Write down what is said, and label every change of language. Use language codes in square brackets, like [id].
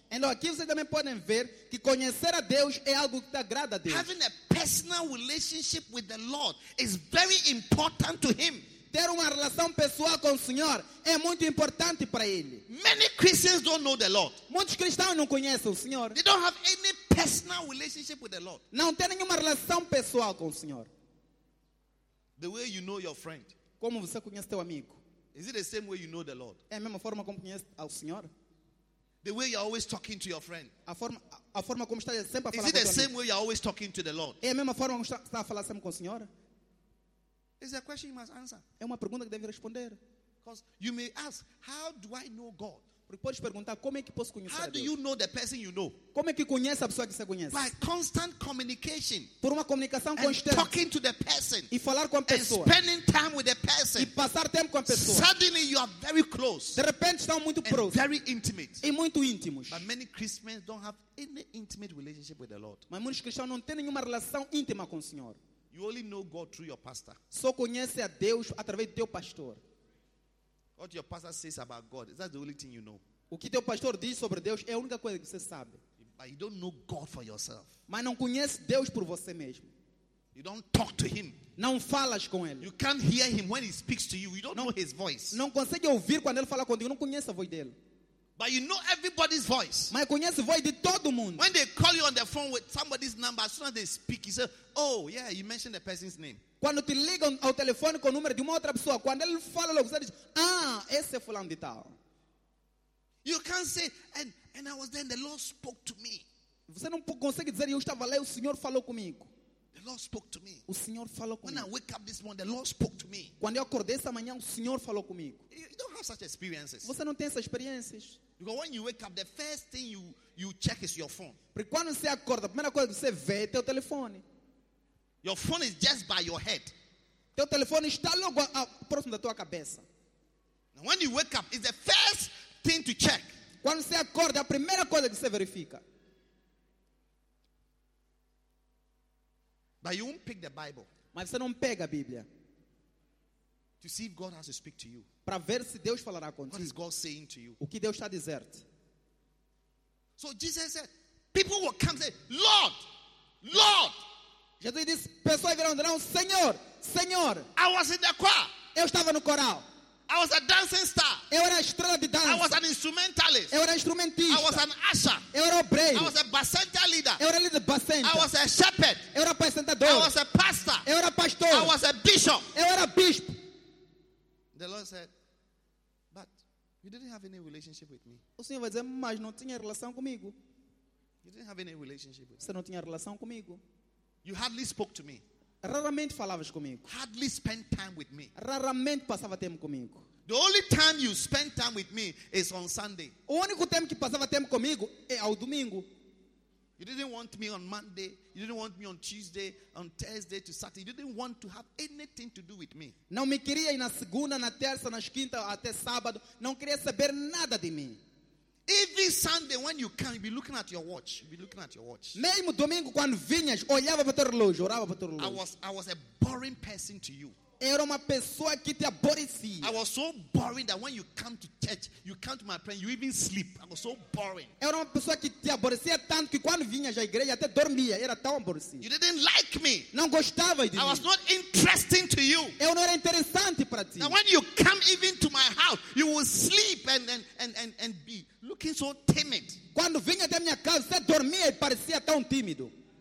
[pt] Então aqui vocês também podem ver que conhecer a Deus é algo que te agrada a Deus. [en] Having a personal relationship with the Lord is very important to him. [pt] Ter uma relação pessoal com o Senhor é muito importante para ele. [en] Many Christians don't know the Lord. [pt] Muitos cristãos não conhecem o Senhor. [en] They don't have any personal relationship with the Lord. [pt] Não tem nenhuma relação pessoal com o Senhor. [en] The way you know your friend. [pt] Como você conhece teu amigo? [en] Is it the same way you know the Lord? [pt] É a mesma forma como conhece ao Senhor? [en] The way you're always talking to your friend. [pt] A forma como está sempre a falar com o Senhor. [en] Is it the same way you're always talking to the Lord? [pt] É a mesma forma como está a falar sempre com o Senhor? [en] It's a question you must answer. [pt] É uma pergunta que deve responder. [en] Because you may ask, how do I know God? [pt] Porque podes perguntar como é que posso conhecer a [en] How do you know the person you know? [pt] Como é que conhece a pessoa que você conhece? [en] By constant communication. [pt] Por uma comunicação constante. [en] And talking to the person. [pt] E falar com a pessoa. [en] And spending time with the person. [pt] E passar tempo com a pessoa. [en] Suddenly you are very close. [pt] De repente estão muito próximos. [en] And very intimate. [pt] E muito íntimos. [en] But many Christians don't have any intimate relationship with the Lord. [pt] Mas muitos cristãos não têm nenhuma relação íntima com o Senhor. [en] You only know God through your pastor. [pt] Só conhece a Deus através do teu pastor. [en] What your pastor says about God, that's the only thing you know. [pt] O que teu pastor diz sobre Deus é a única coisa que você sabe. [en] But you don't know God for yourself. [pt] Mas não conhece Deus por você mesmo. [en] You don't talk to him. [pt] Não falas com ele. [en] You can't hear him when he speaks to you. You don't know his voice. [pt] Não consegue ouvir quando ele fala contigo. Não conhece a voz dele. [en] But you know everybody's voice. [pt] Mas conhece a voz de todo mundo. [en] When they call you on the phone with somebody's number, as soon as they speak, you say, oh, yeah, you mentioned the person's name. [pt] Quando te ligam ao telefone com o número de uma outra pessoa, quando ele fala logo, você diz, esse é fulano de tal. [en] You can't say, and I was there and the Lord spoke to me. [pt] Você não consegue dizer, eu estava lá e o Senhor falou comigo. [en] The Lord spoke to me. [pt] O Senhor falou comigo. [en] When I wake up this morning, the Lord spoke to me. [pt] Quando eu acordei esta manhã, o Senhor falou comigo. [en] You don't have such experiences. [pt] Você não tem essas experiências. [en] Because when you wake up, the first thing you check is your phone. [pt] Porque quando você acorda, a primeira coisa que você vê é teu telefone. [en] Your phone is just by your head. [pt] Teu telefone está logo próximo da tua cabeça. [en] Now when you wake up, it's the first thing to check. [pt] Quando você acorda, a primeira coisa que você verifica. [en] But you won't pick the Bible. [pt] Mas você não pega a Bíblia. [en] To see if God has to speak to you. [pt] Para ver se Deus falará contigo. [en] What is God saying to you? [pt] O que Deus está dizendo? [en] So Jesus said, people will come and say, Lord, Lord. [pt] Jesus disse, pessoas virão dizer, Senhor, Senhor. [en] I was in the choir. [pt] Eu estava no coral. [en] I was a dancing star. [pt] Eu era a estrela de dança. [en] I was an instrumentalist. [pt] Eu era instrumentista. [en] I was an usher. [pt] Eu era obreiro. [en] I was a bacenta leader. [pt] Eu era líder de bacenta. [en] I was a shepherd. [pt] Eu era apacentador. [en] I was a pastor. [pt] Eu era pastor. [en] I was a bishop. [pt] Eu era bispo. [en] The Lord said, but you didn't have any relationship with me. [pt] O Senhor vai dizer, mas não tinha relação comigo. [en] You didn't have any relationship with [pt] me. Você não tinha relação comigo. [en] You hardly spoke to me. [pt] Raramente falavas comigo. [en] Hardly spent time with me. [pt] Raramente passava tempo comigo. [en] The only time you spend time with me is on Sunday. [pt] O único tempo que passava tempo comigo é ao domingo. [en] You didn't want me on Monday. You didn't want me on Tuesday, on Thursday to Saturday. You didn't want to have anything to do with me. [pt] Não me queria na segunda, na terça, na quinta, até sábado. Não queria saber nada de mim. [en] Every Sunday when you come, you'll be looking at your watch. You'll be looking at your watch. [pt] Mesmo domingo quando vinhas, olhava para o teu relógio, orava para o teu relógio. [en] I was a boring person to you. [pt] Era uma pessoa que te aborrecia. [en] I was so boring that when you come to church, you come to my prayer, you even sleep. I was so boring. [pt] Era uma pessoa que te aborrecia tanto que quando vinhas à igreja até dormia. Era tão aborrecido. [en] You didn't like me. [pt] Não gostava de [en] mim. I was not interesting to you. [pt] Eu não era interessante para ti. [en] Now when you come even to my house, you will sleep and be looking so timid. [pt] Quando vinha até minha casa, você dormia e parecia tão tímido.